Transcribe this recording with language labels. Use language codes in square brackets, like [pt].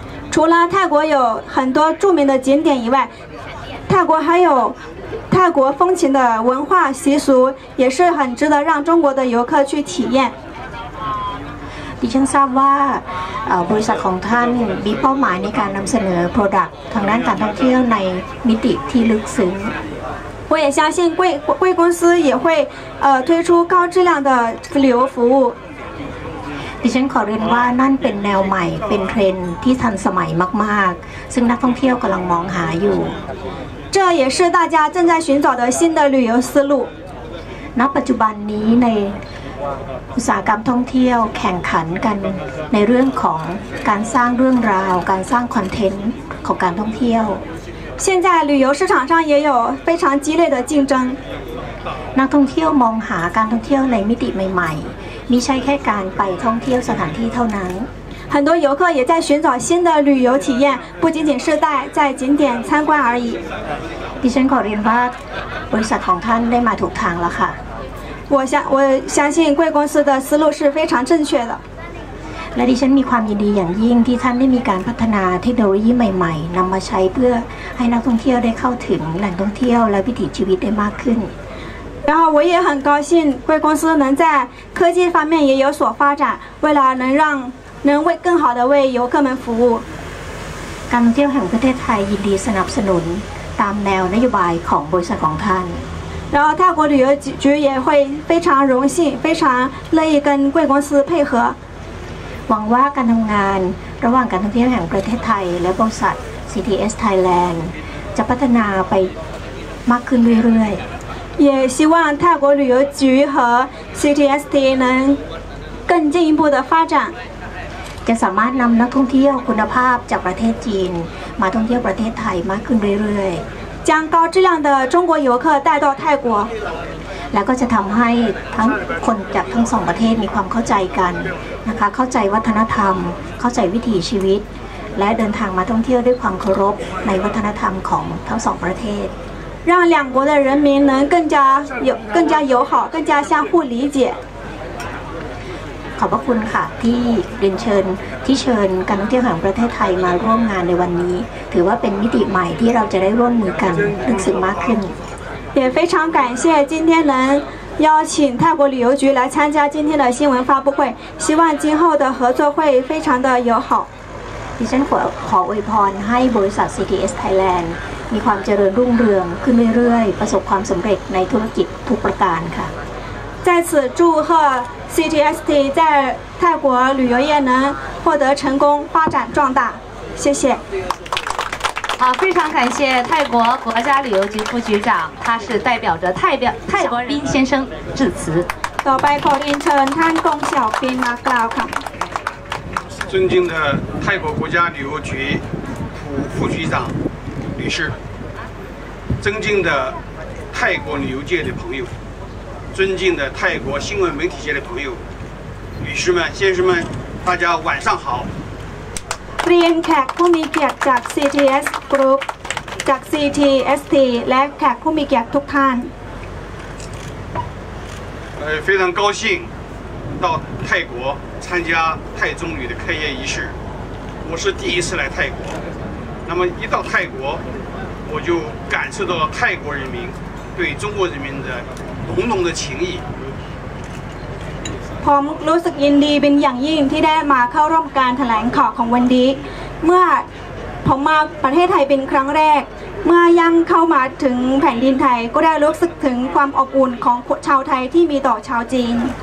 [zh] 除了泰国有很多著名的景点以外泰国还有泰国风情的文化习俗也是很值得让中国的游客去体验 [th] ดิฉันทราบว่าบริษัทของท่านมีเป้าหมายในการนำเสนอโปรดักต์ทางด้านการท่องเที่ยวในมิติที่ลึกซึ้ง [zh] 我也相信贵公司也会推出高质量的旅游服务 [th] ดิฉันขอเรียนว่านั่นเป็นแนวใหม่เป็นเทรนด์ที่ทันสมัยมากๆซึ่งนักท่องเที่ยวกำลังมองหาอยู่ [zh] 这也是大家正在寻找的新的旅游思路 [th] ณปัจจุบันนี้ในอุตสาหกรรมท่องเที่ยวแข่งขันกันในเรื่องของการสร้างเรื่องราวการสร้างคอนเทนต์ของการท่องเที่ยว [zh] 现在旅游市场上也有非常激烈的竞争 [th] นักท่องเที่ยวมองหาการท่องเที่ยวในมิติใหม่ๆไม่ใช่แค่การไปท่องเที่ยวสถานที่เท่านั้น [zh] 很多游客也在寻找新的旅游体验不仅仅是在景点参观而已 [th] ดิฉันขอเรียนว่าบริษัทของท่านได้มาถูกทางแล้วค่ะ [zh] 我相信贵公司的思路是非常正确的 [th] และดิฉันมีความยินดีอย่างยิ่งที่ท่านได้มีการพัฒนาเทคโนโลยีใหม่ๆนำมาใช้เพื่อให้นักท่องเที่ยวได้เข้าถึงแหล่งท่องเที่ยวและวิถีชีวิตได้มากขึ้น [zh] 然后我也很高兴贵公司能在科技方面也有所发展未来能让能为更好的为游客们服务。 [th] การท่องเที่ยวแห่งประเทศไทยยินดีสนับสนุนตามแนวนโยบายของบริษัทของท่าน [zh] 然后泰国旅游局也会非常荣幸非常乐意跟贵公司配合 [th] หวังว่าการทำงานระหว่างการท่องเที่ยวแห่งประเทศไทยและบริษัท CTS Thailand จะพัฒนาไปมากขึ้นเรื่อย [zh] ๆ也希望泰国旅游局和 CTST 能更进一步的发展 [th] จะสามารถนำนักท่องเที่ยวคุณภาพจากประเทศจีนมาท่องเที่ยวประเทศไทยมากขึ้นเรื่อยๆ [zh] 将高质量的中国游客带到泰国 [th] แล้วก็จะทำให้ทั้งคนจากทั้งสองประเทศมีความเข้าใจกันนะคะเข้าใจวัฒนธรรมเข้าใจวิถีชีวิตและเดินทางมาท่องเที่ยวด้วยความเคารพในวัฒนธรรมของทั้งสองประเทศ [zh] 让两国的人民能更加友好更加相互理解 [th] ขอบพระคุณค่ะที่เชิญการท่องเที่ยวแห่งประเทศไทยมาร่วมงานในวันนี้ถือว่าเป็นมิติใหม่ที่เราจะได้ร่วมมือกันรู้สึกมากขึ้น [zh] 也非常感谢今天能邀请泰国旅游局来参加今天的新闻发布会希望今后的合作会非常的友好 [th] ดิฉันขออวยพรให้บริษัท CTS Thailand มีความเจริญรุ่งเรืองขึ้นเรื่อยๆประสบความสำเร็จในธุรกิจทุกประการค่ะ [zh] 在此祝贺CTST 在泰国旅游业能获得成功发展壮大谢谢好非常感谢泰国国家旅游局副局长他是代表着泰国人先生致辞都拜托林城汤公小斌拉克拉克尊敬的泰国国家旅游局副局长女士尊敬的泰国旅游界的朋友尊敬的泰国新闻媒体界的朋友女士们先生们大家晚上好 [th] เรียนแขกผู้มีเกียรติจาก CTS Group จาก CTST และแขกผู้มีเกียรติทุกท่าน [zh] 非常高兴到泰国参加泰中旅的开业仪式我是第一次来泰国那么一到泰国我就感受到泰国人民对中国人民的浓浓的情谊 [th] ผมรู้สึกยินดีเป็นอย่างยิ่งที่ได้มาเข้าร่วมการแถลงข่าวของวันนี้เมื่อผมมาประเทศไทยเป็นครั้งแรกเมื่อยังเข้ามาถึงแผ่นดินไทยก็ได้รู้สึกถึงความอบอุ่นของชาวไทยที่มีต่อชาวจีน